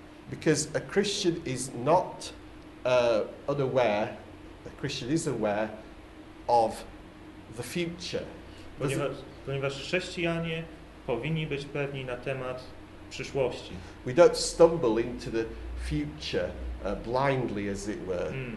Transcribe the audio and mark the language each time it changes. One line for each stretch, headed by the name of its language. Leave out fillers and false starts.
English: Because a Christian is not unaware, a Christian is aware of the future.
Polish: Ponieważ chrześcijanie powinni być pewni na temat przyszłości.
English: We don't stumble into the future blindly, as it were.